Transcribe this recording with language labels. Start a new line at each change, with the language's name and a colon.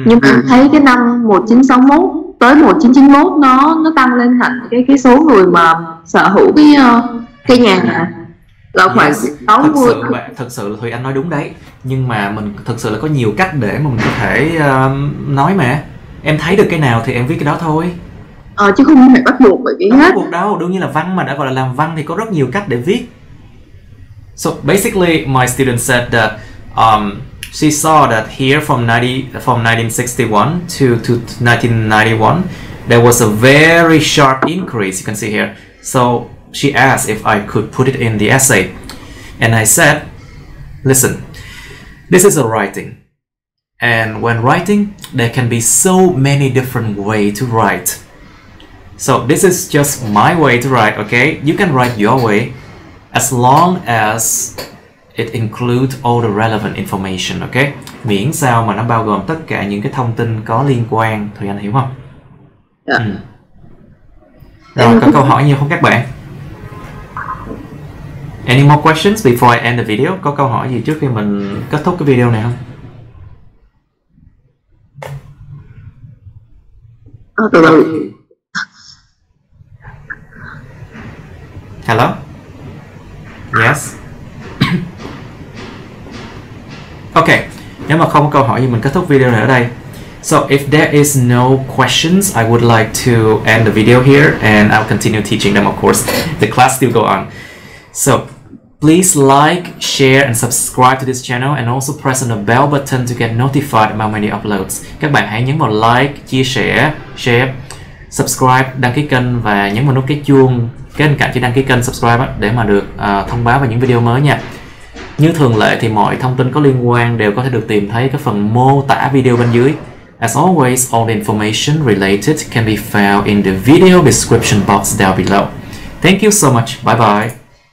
Vietnamese: Nhưng mà thấy cái năm 1961 tới 1991 nó tăng lên thành cái số người mà sở hữu cái nhà là khoảng 60. Thật sự là Thùy Anh nói đúng đấy. Nhưng mà mình thật sự là có nhiều cách để mà mình có thể nói mà. Em thấy được cái nào thì em viết cái đó thôi. Chứ không phải bắt buộc bởi vì hết. Bắt buộc đâu, đương nhiên là văn mà đã gọi là làm văn thì có rất nhiều cách để viết.
English: So basically, my student said that she saw that here from 1961 to 1991, there was a very sharp increase. You can see here. So she asked if I could put it in the essay. And I said, listen, this is a writing. And when writing, there can be so many different ways to write. So this is just my way to write, okay? You can write your way as long as it includes all the relevant information, okay?
Vietnamese: Miễn sao mà nó bao gồm tất cả những cái thông tin có liên quan, Thùy Anh hiểu không? Dạ. Rồi, có câu hỏi nhiều không các bạn?
English: Any more questions before I end the video?
Vietnamese: Có câu hỏi gì trước khi mình kết thúc cái video này không?
English: Hello? Yes?
Vietnamese: Okay, nếu mà không có câu hỏi thì mình kết thúc video này ở đây.
English: So if there is no questions, I would like to end the video here and I'll continue teaching them, of course. The class still go on. So please like, share and subscribe to this channel and also press on the bell button to get notified about my new uploads.
Vietnamese: Các bạn hãy nhấn vào like, chia sẻ, share, subscribe, đăng ký kênh và nhấn vào nút cái chuông bên cạnh chữ đăng ký kênh subscribe để mà được thông báo về những video mới nha. Như thường lệ thì mọi thông tin có liên quan đều có thể được tìm thấy cái phần mô tả video bên dưới.
English: As always, all the information related can be found in the video description box down below. Thank you so much. Bye bye.